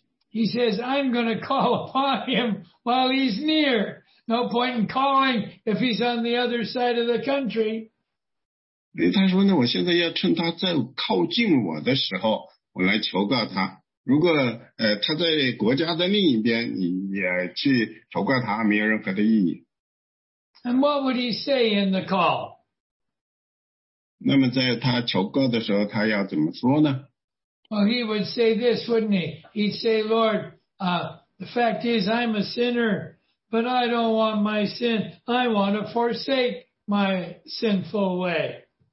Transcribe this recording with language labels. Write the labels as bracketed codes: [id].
[en] He says, I'm going to call upon him while he's near. No point in calling if he's on the other side of the country. [zh] 他说呢，我现在要趁他在靠近我的时候，我来求告他。如果他在国家的另一边，你也去求告他，没有任何的意义。 [en] And what would he say in the call? [zh] 那么在他求告的时候，他要怎么说呢？ [en] Well, he would say this, wouldn't he? He'd say, Lord, the fact is I'm a sinner, but I don't want my sin. I want to forsake my sinful way.